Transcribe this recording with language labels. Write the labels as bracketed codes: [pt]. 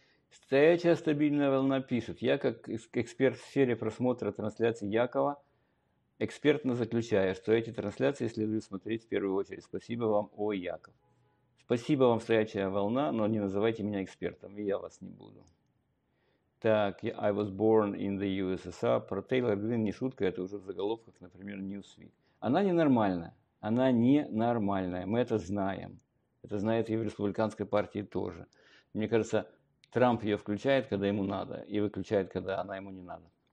[ru] Стоячая стабильная волна пишет. Я как эксперт в сфере просмотра трансляций Якова экспертно заключаю, что эти трансляции следует смотреть в первую очередь. Спасибо вам, о Яков. Спасибо вам, стоячая волна, но не называйте меня экспертом, и я вас не буду. Так, [en] I was born in the USSR. [ru] Про Тейлор Грин не шутка, это уже в заголовках, например, Newsweek. Она ненормальная. Она ненормальная. Мы это знаем. Это знает и в республиканской партии тоже. Мне кажется, Трамп ее включает, когда ему надо, и выключает, когда она ему не надо.